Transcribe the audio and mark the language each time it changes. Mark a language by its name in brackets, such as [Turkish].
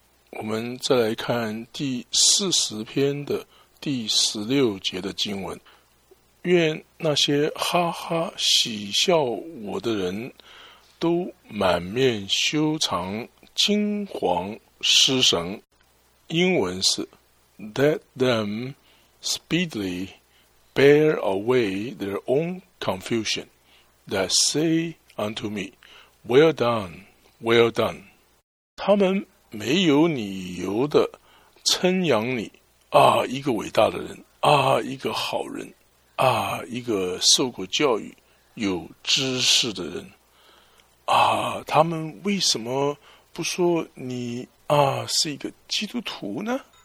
[Chinese] 我们再来看第40篇的第16节的经文，愿那些哈哈喜笑我的人都满面羞惭，惊惶失神。英文是 [English] Let them speedily bear away their own confusion, that say unto me, Well done, well done. [Chinese] 他们没有理由的称扬你，啊，一个伟大的人，啊，一个好人，啊，一个受过教育、有知识的人，啊，他们为什么不说你啊，是一个基督徒呢？